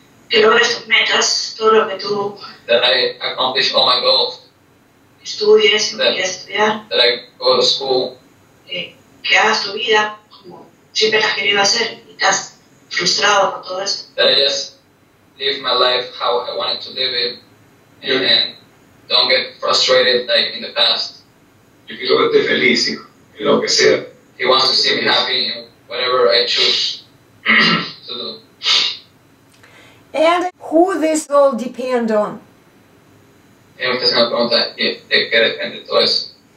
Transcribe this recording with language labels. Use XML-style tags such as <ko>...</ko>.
<es>Que logres tus metas, todo lo que tú...</es> <en>That I accomplish all my goals.</en> <es>Estudies, y estudiar.</es> <en>That I go to school.</en> <es>Que hagas tu vida como siempre has querido hacer y estás frustrado con todo eso.</es> <en>That I just live my life how I wanted to live it and don't get frustrated like in the past.</en> <es>Yo quiero verte feliz, hijo, en lo que sea.</es> <en>He wants to see me happy in whatever I choose to do. And who this all depend on?</en> <es>Y usted se me pregunta, ¿de qué depende todo eso?</es>